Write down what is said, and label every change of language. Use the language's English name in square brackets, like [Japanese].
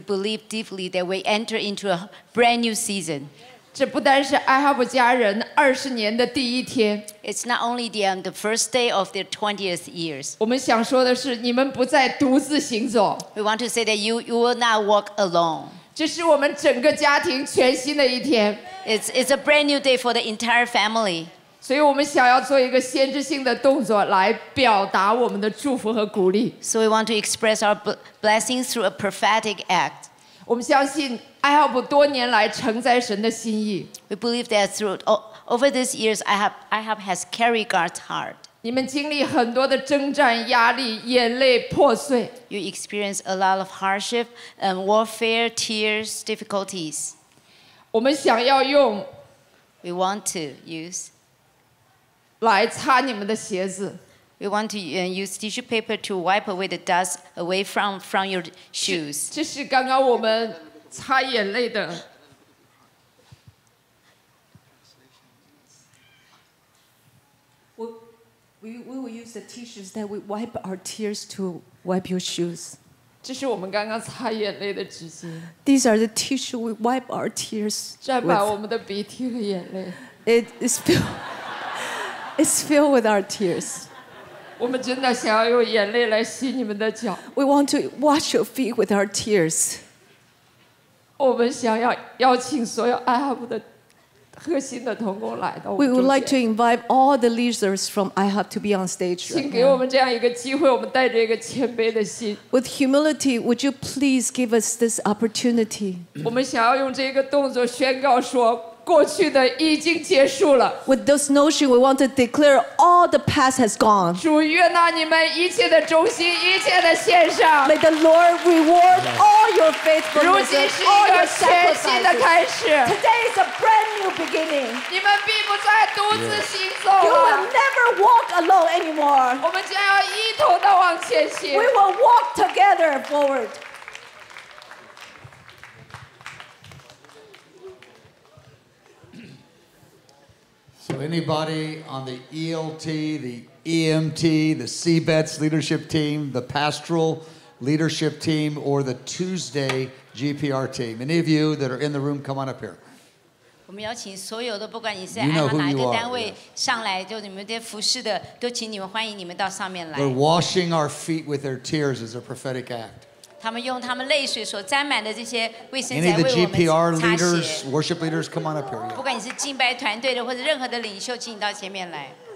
[English] believe deeply that we enter into a brand new season. This is not only the first day of their 20th year. We want to say that you will not walk alone. [Chinese] 这是我们整个家庭全新的一天。 [English] It's a brand new day for the entire family. [Chinese] 所以我们想要做一个先知性的动作来表达我们的祝福和鼓励。 [English] So we want to express our blessings through a prophetic act. [Chinese] 我们相信 IHOP 多年来承载神的心意。 [English] We believe that through over these years, IHOP has carried God's heart. [Chinese] 你们经历很多的征战、压力、眼泪、破碎。 [English] You experience a lot of hardship, warfare, tears, difficulties. [Chinese] 我们想要用。 [English] We want to use. [Chinese] 来擦你们的鞋子。 [English] We want to use tissue paper to wipe away the dust away from your shoes. [Chinese] 这是刚刚我们擦眼泪的。 [English] We will use the tissues that we wipe our tears to wipe your shoes. [Chinese] 这是我们刚刚擦眼泪的纸巾。 [English] These are the tissues we wipe our tears. [Chinese] 沾满我们的鼻涕和眼泪。 [English] It's filled with our tears. [Chinese] 我们真的想要用眼泪来洗你们的脚。 [English] We want to wash your feet with our tears. [Chinese] 我们想要邀请所有 IHOP 的核心的同工来到。 [English] We would like to invite all the leaders from IHOP to be on stage. [Chinese] 请给我们这样一个机会，我们带着一个谦卑的心。 [English] With humility, would you please give us this opportunity? [Chinese] 我们想要用这个动作宣告说。 [English] With this notion, we want to declare all the past has gone. [Chinese] 主悦纳你们一切的忠心，一切的献上。 [English] May the Lord reward all your faithfulness. [Chinese] 如今是一个全新的开始。 [English] Today is a brand new beginning. [Chinese] 你们并不再独自行走了。 [English] You will never walk alone anymore. [Chinese] 我们将要一同的往前行。 [English] We will walk together forward. So anybody on the ELT, the EMT, the CBETS leadership team, the pastoral leadership team, or the Tuesday GPR team, any of you that are in the room, come on up here. You know who you are. They're washing our feet with their tears as a prophetic act. [Chinese] 他们用他们泪水所沾满的这些卫生纸为我们擦鞋。 [English] Worship leaders, come on up here. [Chinese] 不管你是敬拜团队的或者任何的领袖，请你到前面来。